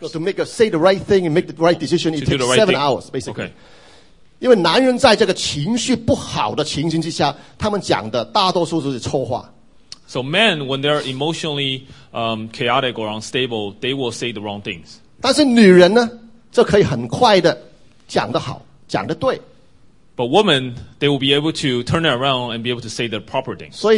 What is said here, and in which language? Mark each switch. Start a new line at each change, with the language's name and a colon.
English: So to make a say the right thing and make the right decision, it takes 7 hours basically. Okay.
Chinese: 因为男人在这个情绪不好的情形之下，他们讲的大多数都是错话。
English: So men, when they're emotionally chaotic or unstable, they will say the wrong things.
Chinese: 但是女人呢，这可以很快的讲得好，讲得对。
English: But women, they will be able to turn it around and be able to say the proper things.